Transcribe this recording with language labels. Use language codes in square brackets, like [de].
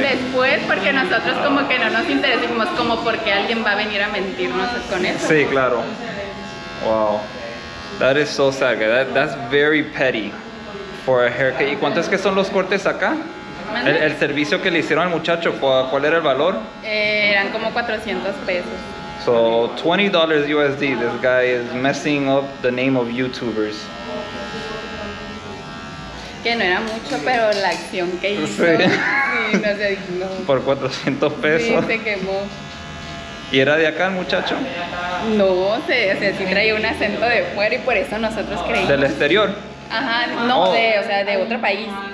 [es] Después, porque nosotros como que no nos interesamos como porque alguien va a venir a mentirnos con eso. Sí, claro. [en] Wow, that is so sad. That's very petty for a haircut. [es] ¿Y cuántos es que son los cortes acá? El servicio que le hicieron al muchacho, ¿cuál era el valor? Eran como 400 pesos. [en] So $20 USD. This guy is messing up the name of YouTubers. [es] Que no era mucho, pero la acción que hizo. Sí. No. Por 400 pesos. Sí, se quemó. ¿Y era de acá el muchacho? No, sí traía un acento de fuera y por eso nosotros creímos. ¿Del exterior? Ajá, no, de otro país.